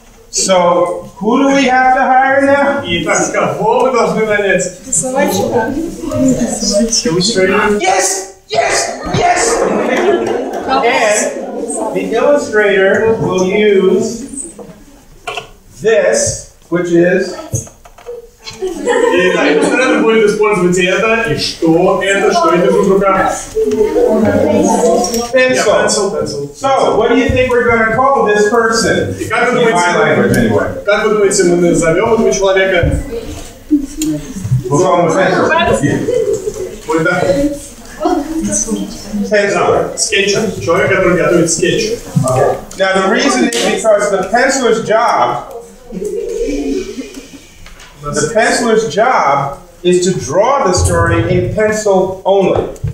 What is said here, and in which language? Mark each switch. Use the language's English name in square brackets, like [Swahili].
[English] So, who do we have to hire now? [Russian] Итак, кого мы должны нанять? Рисовальщика. Иллюстратор. [English] Yes! Yes! Yes! And the illustrator will use this, which is... [Russian] Итак, иллюстратор будет использовать это, и что это, что это в руках? [English] Pencil. So, what do you think we're going to call this person? [Russian] И как вы думаете, как вы думаете, мы назовем этого человека? [English] We'll call him a pencil. What is that? Pencil. Sketcher. [Russian] Человек, который готовит скетч. [English] Now, the reason is because the penciler's job The penciler's job is to draw the story in pencil only.